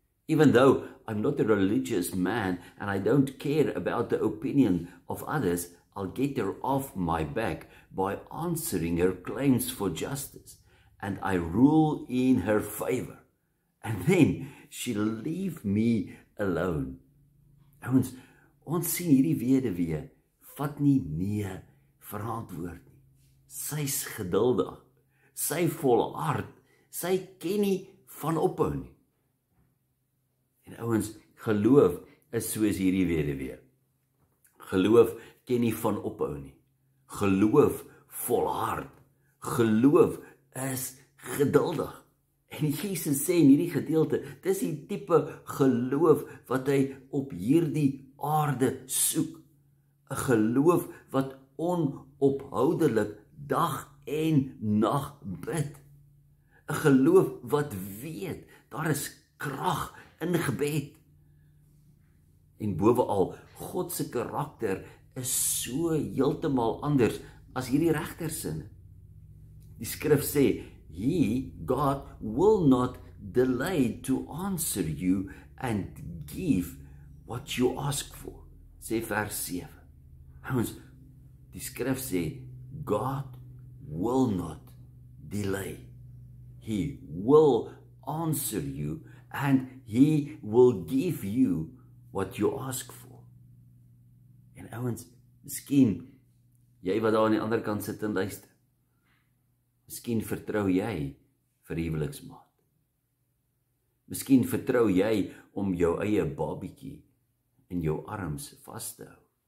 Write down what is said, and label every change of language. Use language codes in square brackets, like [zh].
[en] Even though I'm not a religious man and I don't care about the opinion of others, I'll get her off my back by answering her claims for justice, and I rule in her favor, and then she'll leave me alone. [af] Ons sien hierdie weduwee vat nie nee vir antwoord nie. Sy is geduldig, sy volhard, sy ken nie van ophou nie. En ouens, geloof is soos hierdie weduwee. Geloof ken nie van ophou nie. Geloof volhard. Geloof is geduldig. En Jesus sê in hierdie gedeelte, dis die type geloof wat hy op hierdie aarde soek. Een geloof wat onophoudelik dag en nacht bid. Een geloof wat weet, daar is krag in gebed. En bovenal, Godse karakter is so heeltemal anders as hierdie regtersin. Die skrif sê, [en] He, God, will not delay to answer you and give what you ask for, [af] sê vers 7. Ons, die skrif sê, [en] God will not delay. He will answer you and he will give you what you ask for. [af] En ouens, miskien, jy wat daar aan die ander kant sit en luister, miskien vertrou jy vir huweliksmaat. Miskien vertrou jy om jou eie babietjie in jou arms vast te hou.